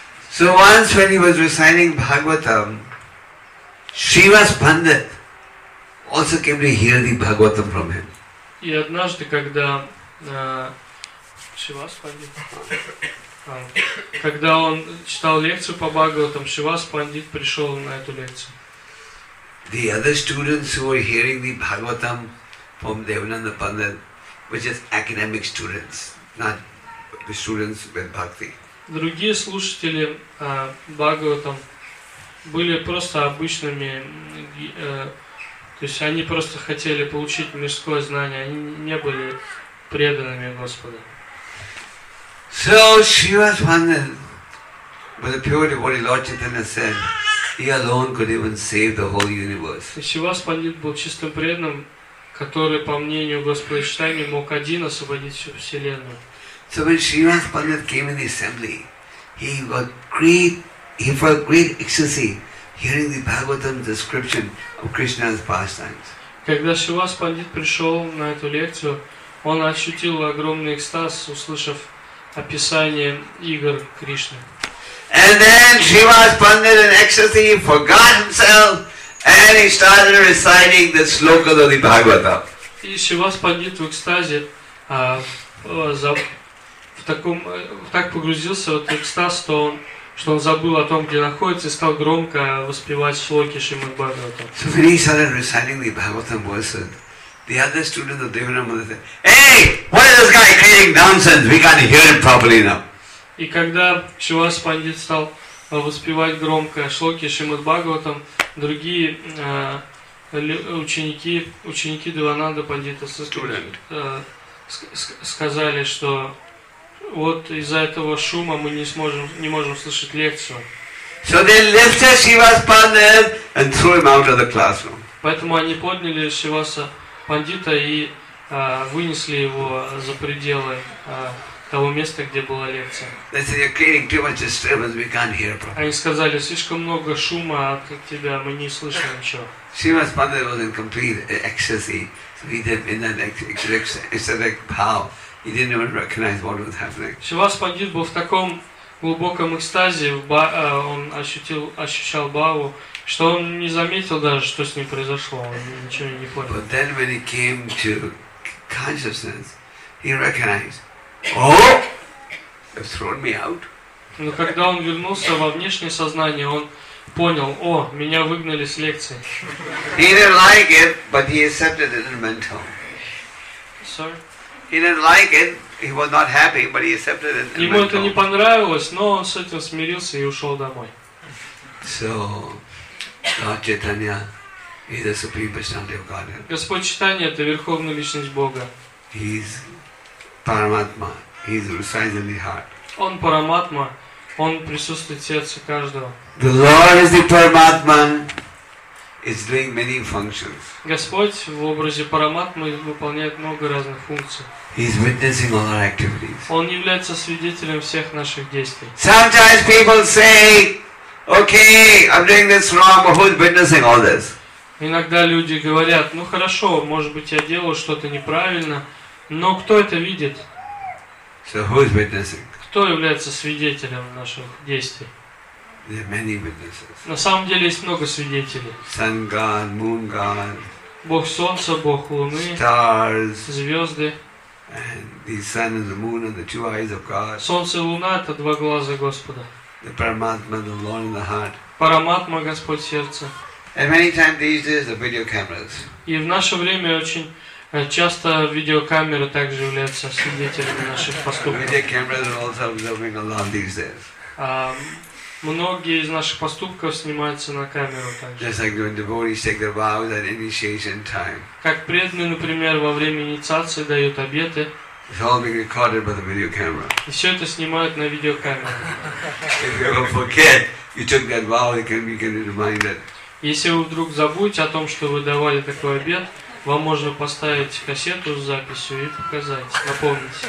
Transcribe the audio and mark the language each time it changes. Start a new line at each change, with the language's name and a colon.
English: So once when he was reciting Bhagavatam, Shrivas Pandit also came to hear the Bhagavatam from him.
Russian: И однажды, когда Шривас Пандит, когда он читал лекцию по Бхагаватам, Шривас Пандит пришел на эту лекцию.
English: The other students who were hearing the Bhagavatam from Devananda Pandit were just academic students, not the students with bhakti.
Russian: Другие слушатели Бхагаватам были просто обычными, то есть они просто хотели получить мирское знание, они не были преданными Господу.
English: So Shrivas Pandit, with a pure devotee, Lord Chaitanya said, he alone could even save the whole universe.
Russian: Shrivas Pandit был чистым преданным, который, по мнению Господа Чайтаньи, мог один освободить всю Вселенную.
English: So when Shrivas Pandit came in the assembly, he felt great ecstasy hearing the Bhagavatam description of Krishna's pastimes.
Russian: Когда Шривас Пандит пришел на эту лекцию, он ощутил огромный экстаз, услышав описание игр Кришны.
English: And then Shrivas Pandit in ecstasy forgot himself and he started reciting the sloka of the Bhagavatam.
Russian: И Шривас Пандит в экстазе так погрузился в этот экстаз, что он забыл о том, где находится, и стал громко воспевать слоки Шримад Бхагаватам.
English: So when he started reciting the Bhagavatam verses, the other students of Devananda said, hey, what is this guy creating nonsense? We can't hear him properly now.
Russian: И когда Шривас Пандит стал воспевать громко слоки Шримад Бхагаватам, другие ученики Девананда Пандита сказали, что вот из-за этого шума мы не можем слышать лекцию.
English: So they lifted Shrivas Pandit and threw him out of the classroom.
Russian: Поэтому они подняли Шриваса Пандита и вынесли его за пределы того места, где была лекция.
English: They said, you're creating too much disturbance, we can't hear properly.
Russian: Они сказали, слишком много шума от тебя, мы не слышим ничего.
English: Shrivas Pandit was in complete ecstasy. So he did in that ecstatic bow. He didn't even recognize what was happening.
Russian: Шривас Пандит был в таком глубоком экстазе, он ощущал бхаву, что он не заметил даже, что с ним произошло, он ничего не понял.
English: But then when he came to consciousness, he recognized, oh, they've thrown me out.
Russian: Но когда он вернулся во внешнее сознание, он понял, о, меня выгнали с лекции.
English: He didn't like it, but he accepted it in mental. Sorry. He didn't like it, he was not happy, but he accepted it in mental.
Russian: Ему это не понравилось, но он с этим смирился и ушел домой.
English: So, Lord Chaitanya is the Supreme Personality of Godhead.
Russian: Господь Чайтанья — это Верховная Личность Бога.
English: He's Paramatma. He's resides in the heart.
Russian: Он Параматма, он присутствует в сердце каждого.
English: The Lord is the Paramatman, is doing many functions.
Russian: Господь в образе Параматмы выполняет много разных функций.
English: He is witnessing all our activities.
Russian: Он является свидетелем всех наших действий.
English: Sometimes people say, okay, I'm doing this wrong, but who's witnessing all this?
Russian: Иногда люди говорят, ну хорошо, может быть я делаю что-то неправильно, но кто это видит?
English: So who is witnessing?
Russian: Кто является свидетелем наших действий?
English: There are many witnesses.
Russian: На самом деле есть много свидетелей.
English: Sun God, Moon God.
Russian: Бог Солнца, Бог Луны.
English: Stars.
Russian: Звезды.
English: And the Sun and the Moon and the two eyes of God.
Russian: Солнце и Луна — это два глаза Господа.
English: The Paramatma, the Lord in the heart.
Russian: Параматма, Господь в сердце.
English: And many times these days the video cameras.
Russian: И в наше время очень часто видеокамеры также являются свидетелями наших поступков. Видеокамеры также
English: observing a lot these days.
Russian: Многие из наших поступков снимаются на камеру также.
English: Just like when devotees take their vows at initiation time.
Russian: Как преданные, например, во время инициации дают обеты.
English: It's all being recorded by the video camera.
Russian: И все это снимают на видеокамеру.
English: If you ever forget, you took that vow, you can be reminded.
Russian: Если вы вдруг забудете о том, что вы давали такой обет, вам можно поставить кассету с записью и показать, напомнить.